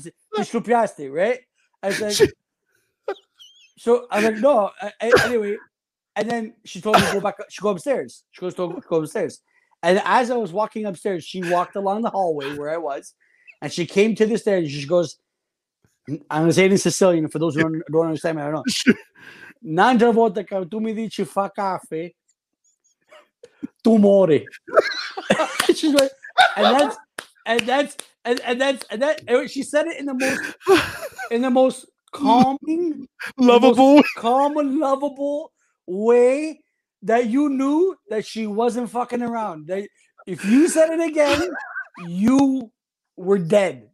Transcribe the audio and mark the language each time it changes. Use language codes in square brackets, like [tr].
[it] Ti scoppiasti, [en] right? I was like, so I'm like, no. Anyway, and then she told me to go back. She goes upstairs. She goes to go upstairs. And as I was walking upstairs, she walked along the hallway where I was. And she came to the stairs. She goes, I'm going to say it in Sicilian. For those who don't understand me, I don't know. [scn] Nanja volta che tu mi dici fa caffè, tu muori. [en] She's like, and she said it in the most calming, lovable, most calm and lovable way that you knew that she wasn't fucking around. That if you said it again, you were dead.